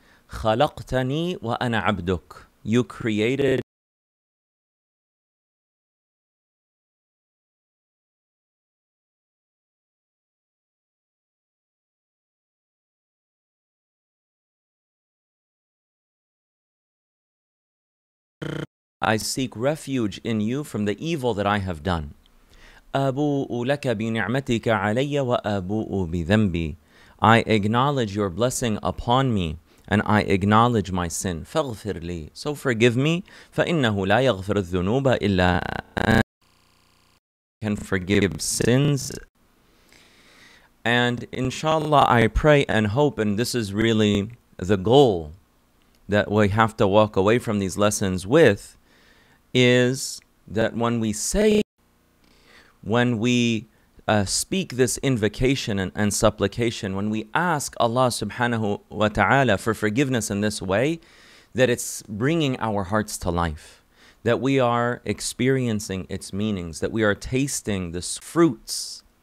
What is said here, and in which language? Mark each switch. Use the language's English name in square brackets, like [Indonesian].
[Arabic] Khalaqtani wa ana abduk. [English] You created I seek refuge in you from the evil that I have done. [Arabic] أبوء لك بنعمتك علي وأبوء بذنبي. [English] I acknowledge your blessing upon me and I acknowledge my sin. [Arabic] فاغفر لي. [English] So forgive me. [Arabic] فإنه لا يغفر الذنوب إلا [English] can forgive sins. And inshallah, I pray and hope, and this is really the goal that we have to walk away from these lessons with, is that when we speak this invocation and supplication, when we ask Allah subhanahu wa ta'ala for forgiveness in this way, that it's bringing our hearts to life, that we are experiencing its meanings, that we are tasting the fruits.